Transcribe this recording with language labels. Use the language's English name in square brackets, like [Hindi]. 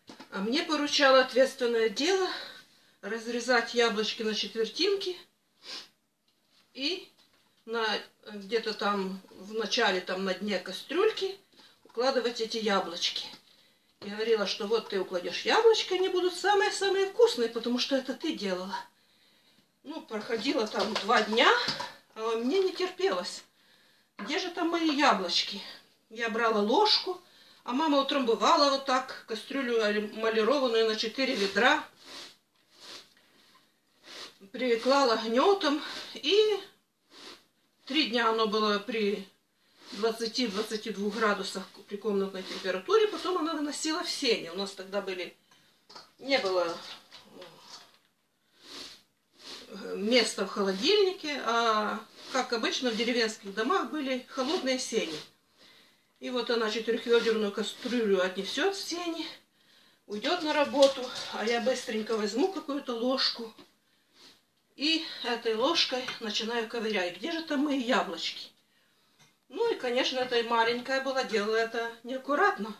[Russian] А мне поручала ответственное дело разрезать яблочки на четвертинки и на где-то там в начале, там на дне кастрюльки укладывать эти яблочки. Я говорила, что вот ты укладешь яблочки, они будут самые-самые вкусные, потому что это ты делала. Ну, проходило там 2 дня, а мне не терпелось. Где же там мои яблочки? Я брала ложку, [Ukrainian] А мама утрамбувала отак кастрюлю малірованою на 4 відра, приклала гньотом, і 3 дні воно було при 20-22 градусах при комнатній температурі, потім вона виносила в сені. У нас тоді були, не було места в холодильнике, а как обычно в деревенских домах были холодные сени. [Russian] И вот она 4-ведерную кастрюлю отнесет в сени, уйдет на работу, а я быстренько возьму какую-то ложку и этой ложкой начинаю ковырять, где же там мои яблочки. Ну и, конечно, эта маленькая была, делала это неаккуратно.